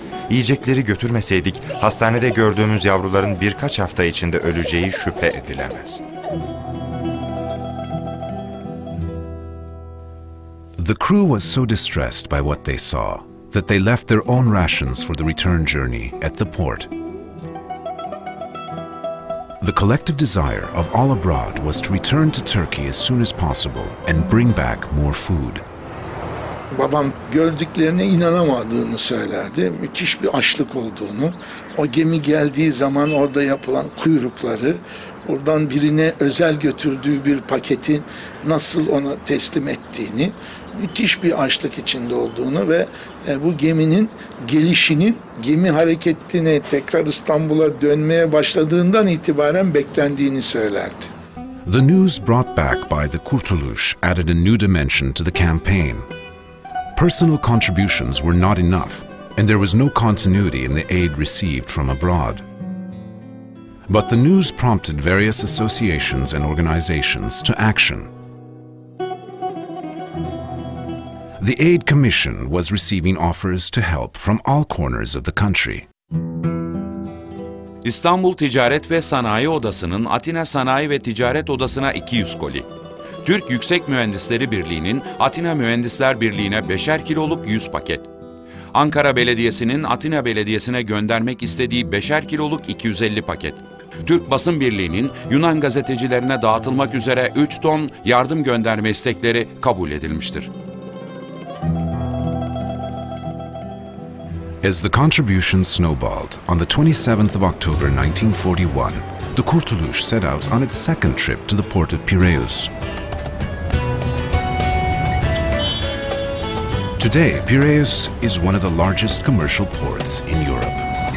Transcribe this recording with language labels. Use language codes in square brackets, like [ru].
[tr] Yiyecekleri götürmeseydik hastanede gördüğümüz yavruların birkaç hafta içinde öleceği şüphe edilemez. [en] The crew was so distressed by what they saw that they left their own rations for the return journey at the port. The collective desire of all abroad was to return to Turkey as soon as possible and bring back more food. [tr] Babam gördüklerine inanamadığını söylerdi. Müthiş bir açlık olduğunu. O gemi geldiği zaman orada yapılan kuyrukları, oradan birine özel götürdüğü bir paketin nasıl ona teslim ettiğini, müthiş bir açlık içinde olduğunu ve bu geminin gelişinin, gemi hareketini tekrar İstanbul'a dönmeye başladığından itibaren beklendiğini söylerdi. [en] The news brought back by the Kurtulus added a new dimension to the campaign. Personal contributions were not enough, and there was no continuity in the aid received from abroad. But the news prompted various associations and organizations to action. The Aid Commission was receiving offers to help from all corners of the country. [tr] İstanbul Ticaret ve Sanayi Odası'nın Atina Sanayi ve Ticaret Odası'na 200 koli. Türk Yüksek Mühendisleri Birliği'nin Atina Mühendisler Birliği'ne 5'er kiloluk 100 paket. Ankara Belediyesi'nin Atina Belediyesi'ne göndermek istediği 5'er kiloluk 250 paket. Türk Basın Birliği'nin Yunan gazetecilerine dağıtılmak üzere 3 ton yardım gönderme istekleri kabul edilmiştir. [en] As the contribution snowballed, on the 27th of October 1941, the Kurtulus set out on its second trip to the port of Piraeus. Today, Piraeus is one of the largest commercial ports in Europe.